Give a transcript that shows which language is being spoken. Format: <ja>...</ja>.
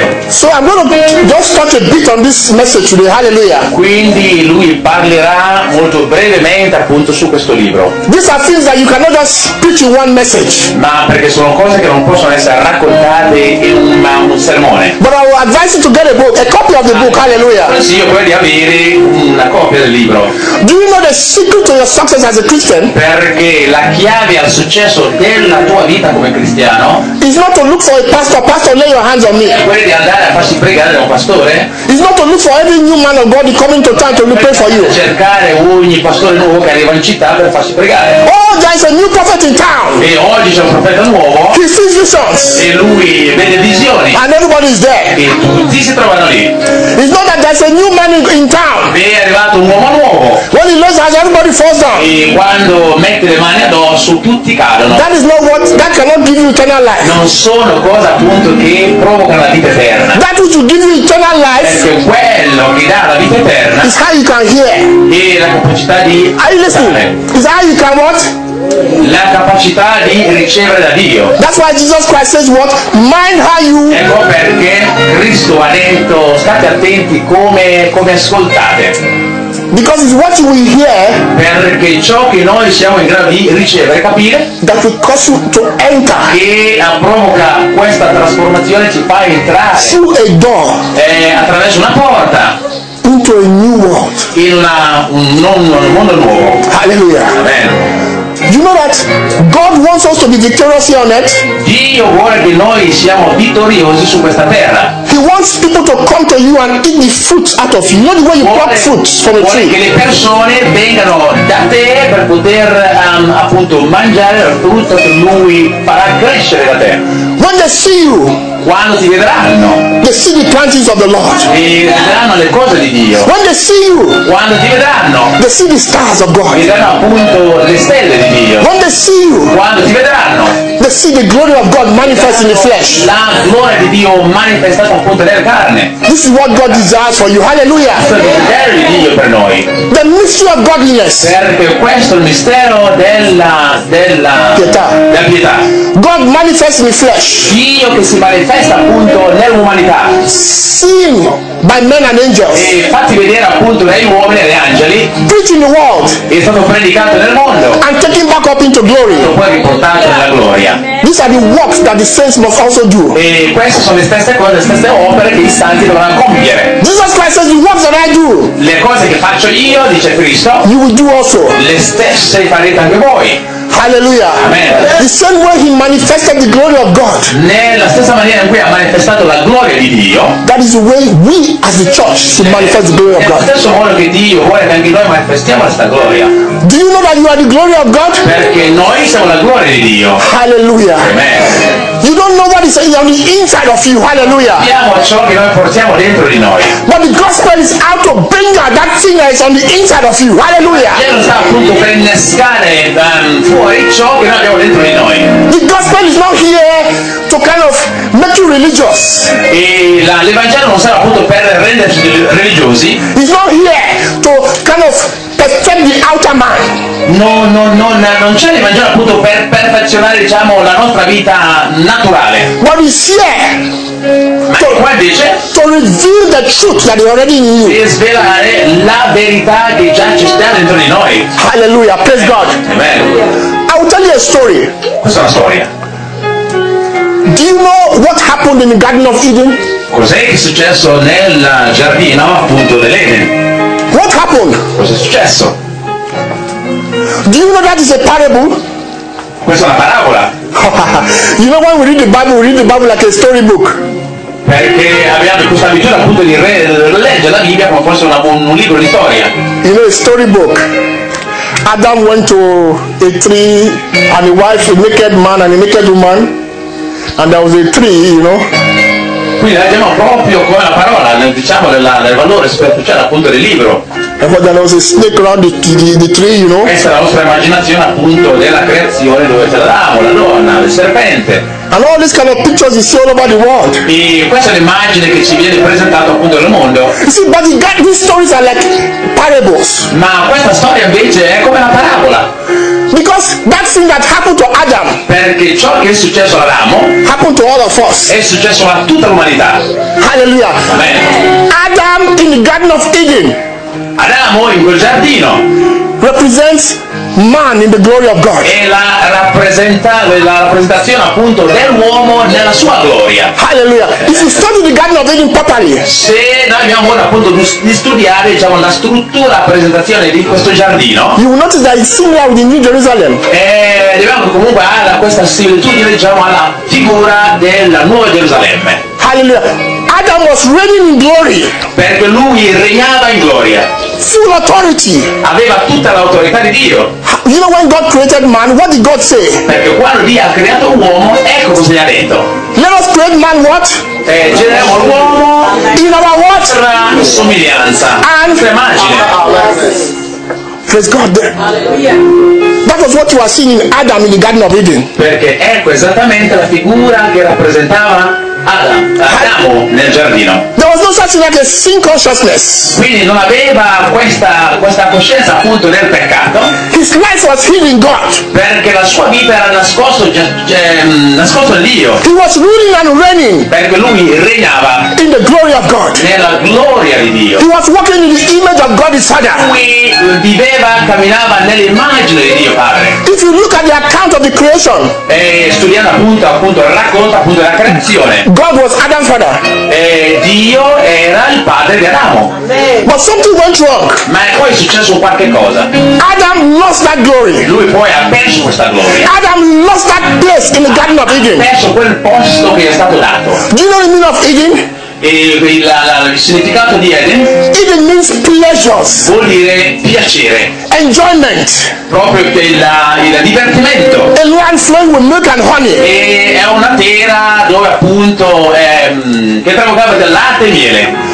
<en>So I'm going to just touch a bit on this message today. Hallelujah.</en> <it>Quindi lui parlerà molto brevemente appunto su questo libro.</it> <en>These are things that you cannot just preach in one message.</en> <it>Ma perché sono cose che non possono essere raccontate in un sermone.</it> <en>But I will advise you to get a book, a copy of the book. Hallelujah.</en> <it>Consiglio quello di avere una copia del libro.</it> <en>Do you know the secret to your success as a Christian?</en> <it>Perché la chiave al successo della tua vita come cristiano</it> <en>is not to look for a pastor. Pastor, lay your hands on me.</en> <it>Quello di andare a farsi pregare da un pastore.</it> <en>It's not to look for every new man of God coming to town to pray for you.</en> <it>Cercare ogni pastore nuovo che arriva in città per farsi pregare.</it> <en>Oh, there is a new prophet in town.</en> <it>E oggi c'è un profeta nuovo.</it> <en>He sees visions.</en> <it>E lui vede visioni.</it> <en>And everybody is there.</en> <it>E tutti si trovano lì.</it> <en>It's not that there's a new man in town.</en> <it>E è arrivato un uomo nuovo.</it> <en>When he lays hands, everybody falls down.</en> <it>E quando mette le mani addosso, tutti cadono.</it> <en>That is not what that cannot give you eternal life.</en> <it>Non sono cose appunto che provocano la vita eterna.</it> <en>That which will give you eternal life.</en> <it>Perché quello che dà la vita eterna.</it> <en>Is how you can hear.</en> <it>E la capacità di.</it> <en>Are you listening? Is how you can what?</en> <it>La capacità di ricevere da Dio.</it> <en>That's why Jesus Christ says what? Mind how you.</en> <it>Ecco perché Cristo ha detto: state attenti come ascoltate.</it> <en>Because it's what we hear.</en> <it>Perché ciò che noi siamo in grado di ricevere, capire.</it> <en>That will cause you to enter.</en> <it>Che provoca questa trasformazione, ci fa entrare.</it> <en>Through a door.</en> <it>E attraverso una porta.</it> <en>Into a new world.</en> <it>In un mondo nuovo.</it> <en>Hallelujah. Amen. You know that God wants us to be victorious here on earth.</en> <it>Dio vuole che noi siamo vittoriosi su questa terra.</it> <en>He wants people to come to you and eat the fruits out of you. Not the way you pluck fruits from a tree.</en> <it>Vuole che le persone vengano da te per poter appunto mangiare il frutto che lui farà crescere da te.</it> <en>When they see you,</en> <it>quando ti vedranno,</it> <en>they see the plantings of the Lord.</en> <it>E vedranno le cose di Dio.</it> <en>When they see you,</en> <it>quando ti vedranno,</it> <en>they see the stars of God.</en> <it>Vedranno appunto le stelle di Dio.</it> <en>When they see you,</en> <it>quando ti vedranno,</it> <en>they see the glory of God manifest in the flesh.</en> <it>La gloria di Dio manifestata appunto nella carne.</it> <en>This is what God desires for you. Hallelujah.</en> <it>Questo è il desiderio di Dio per noi.</it> <en>The mystery of godliness.</en> <it>Perché questo è il mistero della pietà. Della pietà.</it> <en>God manifests in the flesh.</en> <it>Dio che si manifesta appunto nell'umanità.</it> <en>Seen by men and angels.</en> <it>E fatti vedere appunto dagli uomini e dagli angeli.</it> <en>Preaching the world.</en> <it>È stato predicato nel mondo.</it> <en>And taken back up into glory.</en> <it>E poi riportato nella gloria.</it> <en>These are the works that the saints must also do.</en> <it>E queste sono le stesse cose, le stesse opere che i santi dovranno compiere.</it> <en>Jesus Christ says, the works that I do.</en> <it>Le cose che faccio io, dice Cristo.</it> <en>You will do also.</en> <it>Le stesse farete anche voi.</it> <en>Hallelujah. Amen. The same way he manifested the glory of God.</en> <it>Nella stessa maniera in cui ha manifestato la gloria di Dio.</it> <en>That is the way we as the church should manifest the glory of God.</en> <it>Nello stesso modo che Dio vuole che anche noi manifestiamo questa gloria.</it> <en>Do you know that you are the glory of God?</en> <it>Perché noi siamo la gloria di Dio.</it> <en>Hallelujah. Amen. You don't know what is on the inside of you. Hallelujah.</en> <it>Sappiamo ciò che noi portiamo dentro di noi.</it> <en>But the gospel is out to bring out that thing that is on the inside of you. Hallelujah.</en> <it>Dio sta appunto per innescare ciò che noi abbiamo dentro di noi.</it> <en>The gospel is not here to kind of make you religious.</en> <it>E l'Evangelo non sarà appunto per renderci religiosi.</it> <en>It's not here to kind of perfect the outer man.</en> <it>Non c'è l'Evangelo appunto per perfezionare, diciamo, la nostra vita naturale.</it> <en>What is here?</en> <it>Ma to, qua dice,</it> <en>to reveal the truth that is already in you.</en> <it>E svelare la verità che già ci sta dentro di noi.</it> <en>Hallelujah, praise Amen. God. Amen. I will tell you a story.</en> <it>Questa è una storia.</it> <en>Do you know what happened in the Garden of Eden?</en> <it>Cos'è che è successo nel giardino appunto dell'Eden?</it> <en>What happened?</en> <it>Cos'è successo?</it> <en>Do you know that is a parable?</en> <it>Questa è una parabola.</it> <en>You know when we read the Bible like a storybook.</en> <it>Perché abbiamo questa abitudine appunto di leggere la Bibbia come fosse un libro di storia.</it> <en>You know, a storybook. Adam went to a tree and a wife, a naked man and a naked woman, and there was a tree, you know.</en> <it>Quindi leggiamo proprio come la parola, diciamo del valore superficiale appunto del libro.</it> <en>And but there was a snake around the tree, you know.</en> <it>Questa è la nostra immaginazione appunto della creazione, dove c'è l'amo, la donna, il serpente.</it> <en>And all these kind of pictures you see all over the world.</en> <it>E questa è l'immagine che ci viene presentata appunto nel mondo.</it> <en>You see, but these stories are like parables.</en> <it>Ma questa storia invece è come la parabola.</it> <en>Because that thing that happened to Adam.</en> <it>Perché ciò che è successo ad Adamo.</it> <en>Happened to all of us.</en> <it>È successo a tutta l'umanità.</it> <en>Hallelujah. Amen. Adam in the Garden of Eden.</en> <it>Adamo in quel giardino.</it> <en>Represents man in the glory of God.</en> <it>E la rappresentazione appunto dell'uomo nella sua gloria.</it> <en>Hallelujah. If you study the Garden of Eden properly.</en> <it>Se noi abbiamo modo appunto di studiare, diciamo, la struttura, la presentazione di questo giardino.</it> <en>You will notice that it's similar with the New Jerusalem.</en> <it>E abbiamo comunque alla questa similitudine, diciamo, alla figura della Nuova Gerusalemme.</it> <en>Hallelujah. Adam was reigning in glory.</en> <it>Perché lui regnava in gloria.</it> <en>Full authority.</en> <it>Aveva tutta l'autorità di Dio.</it> <en>You know when God created man, what did God say?</en> <it>Perché quando Dio ha creato l'uomo, ecco cosa gli ha detto.</it> <en>Let us create man what?</en> <it>Generiamo l'uomo</it> <en>in our what?</en> <it>La somiglianza.</it> <en>And</en> <it>the immagine.</it> <en>Praise God. Hallelujah. That was what you are seeing in Adam in the Garden of Eden.</en> <it>Perché ecco esattamente la figura che rappresentava Adamo nel giardino.</it> <en>There was no such thing like a sin consciousness.</en> <it>Quindi non aveva questa coscienza appunto del peccato.</it> <en>His life was hidden God.</en> <it>Perché la sua vita era nascosto Dio.</it> <en>He was ruling and reigning.</en> <it>Perché lui regnava</it> <en>in the glory of God.</en> <it>Nella gloria di Dio.</it> <en>He was walking in the image of God his Father.</en> <it>Lui viveva, camminava nell'immagine di Dio Padre.</it> <en>If you look at the account of the creation.</en> <it>E studiando appunto racconta appunto la creazione.</it> <en>God was Adam's father.</en> <it>E Dio era il padre di Adamo.</it> <en>But something went wrong.</en> <it>Ma poi è successo qualche cosa.</it> <en>Adam lost that glory.</en> <it>Lui poi ha perso questa gloria.</it> <en>Adam lost that place in the Garden of Eden.</en> <it>Ha perso quel posto che gli è stato dato.</it> <en>Do you know the meaning of Eden?</en> <it>Il significato di Eden?</it> <en>Eden means pleasures.</en> <it>Vuol dire piacere.</it> <en>Enjoyment.</en> <it>Proprio il divertimento.</it> <en>A land flowing with milk and honey.</en> <it>E è una terra dove appunto che traboccava del latte e miele.</it>